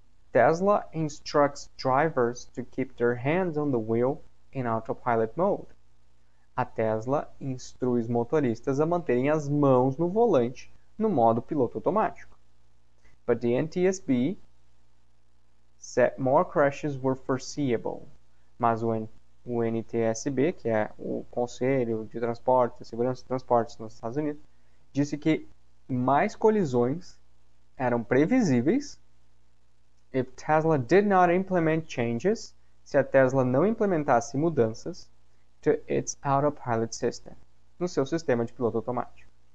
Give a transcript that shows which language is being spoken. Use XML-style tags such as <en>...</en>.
<en>Tesla instructs drivers to keep their hands on the wheel in autopilot mode.</en> <pt>A Tesla instrui os motoristas a manterem as mãos no volante no modo piloto automático.</pt> <en>But the NTSB said more crashes were foreseeable.</en> <pt>Mas o NTSB, que é o Conselho de Transporte, Segurança de Transportes nos Estados Unidos, disse que mais colisões eram previsíveis</pt> <en>if Tesla did not implement changes,</en> <pt>se a Tesla não implementasse mudanças</pt> <en>to its autopilot system,</en> <pt>no seu sistema de piloto automático.</pt>